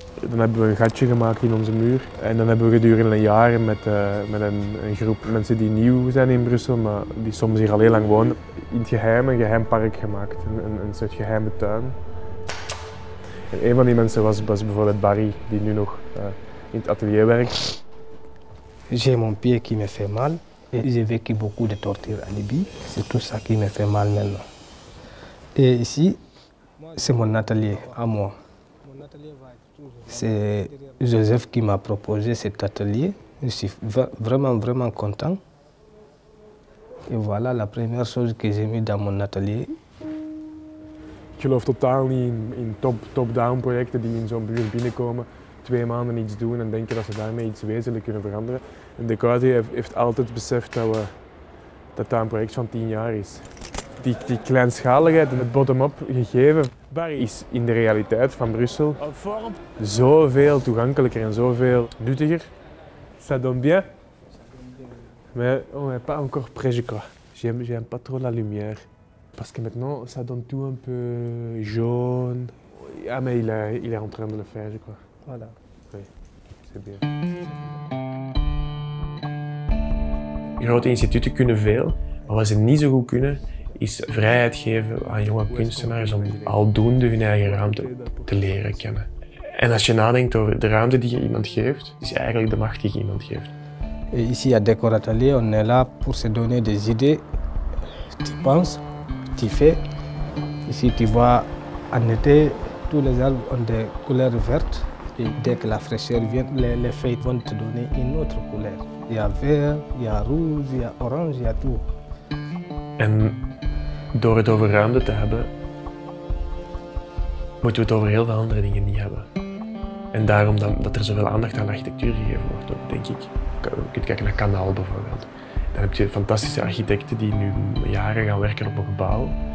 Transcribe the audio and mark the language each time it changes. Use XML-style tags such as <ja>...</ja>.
<nl>Dan hebben we een gatje gemaakt in onze muur. En dan hebben we gedurende een jaar met een groep mensen die nieuw zijn in Brussel, maar die soms hier al heel lang wonen, in het geheim een geheim park gemaakt. Een soort geheime tuin. En een van die mensen was bijvoorbeeld Barry, die nu nog in het atelier werkt.</nl> <fr>J'ai mon pied qui me fait mal. J'ai vécu beaucoup de torture à Libye. C'est tout ça qui me fait mal maintenant. Et ici, c'est mon atelier à moi. C'est Joseph qui m'a proposé cet atelier. Je suis vraiment, vraiment content. Et voilà la première chose que j'ai mis dans mon atelier.</fr> <nl>Ik geloof totaal niet in top-down projecten die in zo'n buurt binnenkomen, 2 maanden iets doen en denken dat ze daarmee iets wezenlijk kunnen veranderen. En de Kwadi heeft altijd beseft dat een project van 10 jaar is. Die kleinschaligheid en het bottom-up gegeven is in de realiteit van Brussel zoveel toegankelijker en zoveel nuttiger.</nl> <fr>Ça donne bien? Mais on n'est pas encore prêt, je crois. J'aime pas trop la lumière. Parce que maintenant, ça donne tout un peu jaune. Ja, mais il est en train de le faire, je crois. Voilà. Oui, c'est bien.</fr> <nl>Grote instituten kunnen veel, maar wat ze niet zo goed kunnen, is vrijheid geven aan jonge kunstenaars om aldoende hun eigen ruimte te leren kennen. En als je nadenkt over de ruimte die je iemand geeft, is eigenlijk de macht die je iemand geeft.</nl> <fr>Ici à Décoratelier, on est là pour se donner des idées. Tu penses, tu fais. Ici, tu vois, en été, tous les arbres ont des couleurs vertes. Et dès que la fraîcheur vient, les feuilles vont te donner une autre couleur. Il y a vert, il y a rouge, il y a orange, il y a tout.</fr> <nl>En door het over ruimte te hebben, moeten we het over heel veel andere dingen niet hebben. En daarom dat er zoveel aandacht aan architectuur gegeven wordt, denk ik. je kunt kijken naar Kanaal bijvoorbeeld. Dan heb je fantastische architecten die nu jaren gaan werken op een gebouw.</nl>